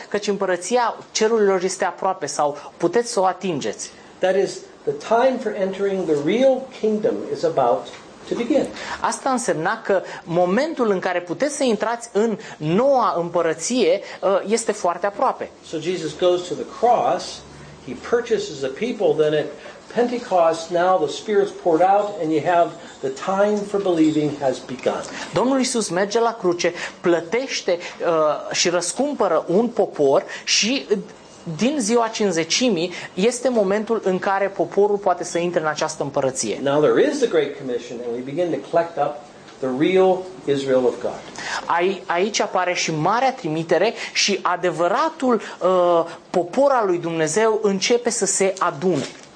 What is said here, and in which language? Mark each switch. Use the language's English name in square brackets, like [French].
[Romanian] căci împărăția cerurilor este aproape sau puteți să o atingeți. [English] That is the time for entering the real kingdom is about to begin. [Romanian] Asta însemna că momentul în care puteți să intrați în noua împărăție este foarte aproape. [English] So Jesus goes to the cross, he purchases a people, then at Pentecost now the Spirit's poured out and you have the time for believing has begun. [Romanian] Domnul Iisus merge la cruce, plătește și răscumpără un popor și din ziua cincizecimii este momentul în care poporul poate să intre în această împărăție. [English] Now there is the great commission and we begin to collect up the real Israel of God. [Romanian] Aici apare și marea trimitere și adevăratul popor al lui Dumnezeu începe să se adune.